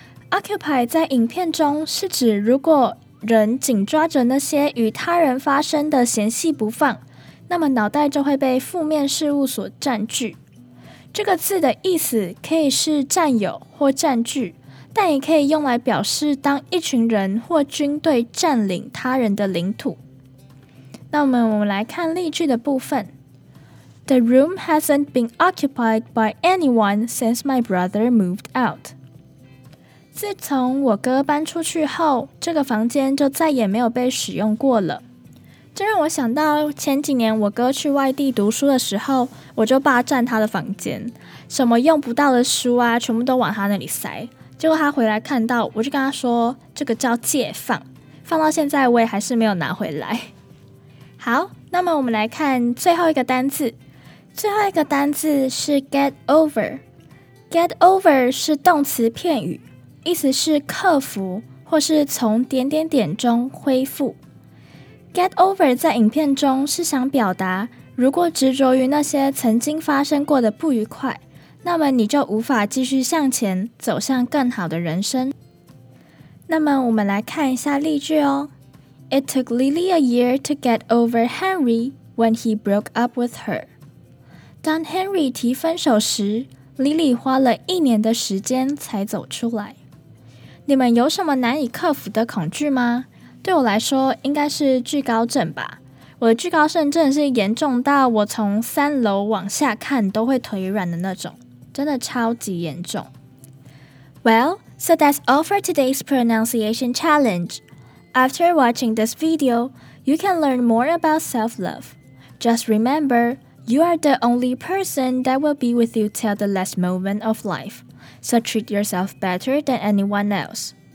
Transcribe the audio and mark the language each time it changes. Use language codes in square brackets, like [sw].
[zh] Occupy 在影片中是指如果人紧抓着那些与他人发生的嫌隙不放，那么脑袋就会被负面事物所占据。这个字的意思可以是占有或占据，但也可以用来表示当一群人或军队占领他人的领土。那我们来看例句的部分。 [en] The room hasn't been occupied by anyone since my brother moved out. [zh] 自从我哥搬出去后，这个房间就再也没有被使用过了。这让我想到前几年我哥去外地读书的时候，我就霸占他的房间，什么用不到的书啊全部都往他那里塞，结果他回来看到，我就跟他说这个叫借放，放到现在我也还是没有拿回来。好，那么我们来看最后一个单字，最后一个单字是 get over。 get over 是动词片语，意思是克服或是从点点点中恢复。 get over 在影片中是想表达，如果执着于那些曾经发生过的不愉快，那么你就无法继续向前走向更好的人生。那么我们来看一下例句哦。 [en] It took Lily a year to get over Henry when he broke up with her. [zh] 当 Henry 提分手时， Lily 花了一年的时间才走出来。你们有什么难以克服的恐惧吗？对我来说应该是惧高症吧。我的惧高症真的是严重到我从三楼往下看都会腿软的那种，真的超级严重。 [en] Well, so that's all for today's pronunciation challenge. After watching this video, you can learn more about self-love. Just remember, you are the only person that will be with you till the last moment of life, so treat yourself better than anyone else.